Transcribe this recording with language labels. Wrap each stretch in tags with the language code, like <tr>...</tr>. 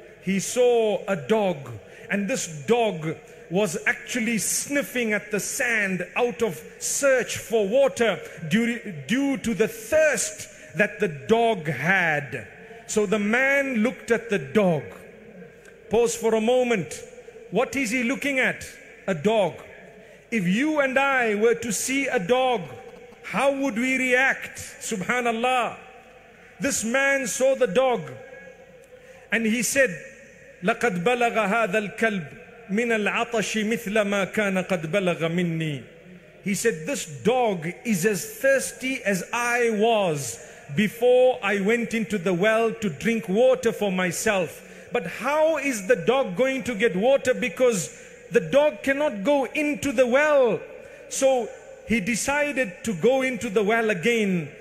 <en>He saw a dog. And this dog was actually sniffing at the sand out of search for water due to the thirst that the dog had. So the man looked at the dog. Pause for a moment. What is he looking at? A dog. If you and I were to see a dog, how would we react? Subhanallah. This man saw the dog and he said,</en> <ar>لَقَدْ بَلَغَ هَذَا الْكَلْبِ مِنَ الْعَطَشِ مِثْلَ مَا كَانَ قَدْ بَلَغَ مِنِّي.</ar> <en>He said, this dog is as thirsty as I was before I went into the well to drink water for myself. But how is the dog going to get water? Because the dog cannot go into the well. So he decided to go into the well again.</en>